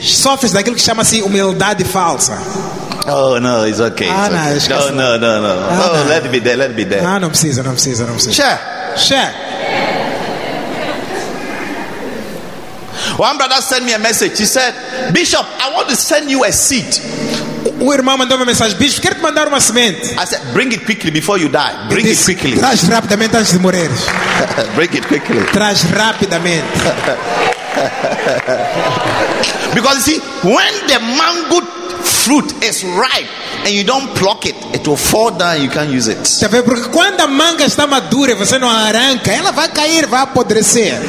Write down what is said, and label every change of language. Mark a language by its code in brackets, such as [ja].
[pt] Sofres daquilo que chama-se humildade falsa. [en] Oh no, it's okay. Ah, it's okay. No. Ah, oh, let it be there. Let it be there. [pt] Ah, não precisa, não precisa, não precisa. [en] Share. One brother sent me a message. He said, Bishop, I want to send you a seed. [pt] O irmão mandou uma mensagem, Bishop, quero te mandar uma semente. [en] I said, bring it quickly before you die. Bring it quickly. [pt] Traz rapidamente antes de morrer. [en] Bring it quickly. [pt] Traz rapidamente. [en] Because you see, when the mango fruit is ripe and you don't pluck it, it will fall down, you can't use it. [pt] Porque quando a manga está madura e você não arranca, ela vai cair, vai apodrecer.